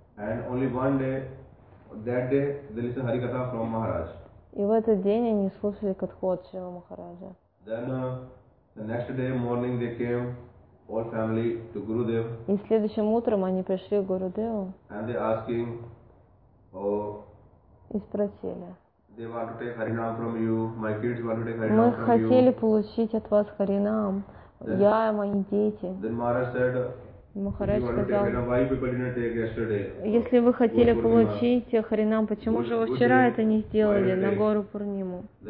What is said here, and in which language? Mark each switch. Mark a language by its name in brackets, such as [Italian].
[English] And only one day, that day, they listened Harikatha from Maharaj. [Russian] И в этот день они слушали Катху от Шрила Махараджа. [English] Then, the next day morning they came, all family, to Gurudev. [Russian] И следующим утром они пришли к Гурудеву. [English] And they asking, oh, [Russian] и спросили. [English] They want to take Харинам from you. My kids want to take Харинам from [Russian] Мы хотели получить от вас Харинам. Я и мои дети. [English] Then Maharaj said, [Russian] Махарадж сказал, [English] yesterday, [Russian] если вы хотели Пурнима, получить Харинам, почему же вы вчера это не сделали на гору Пурниму?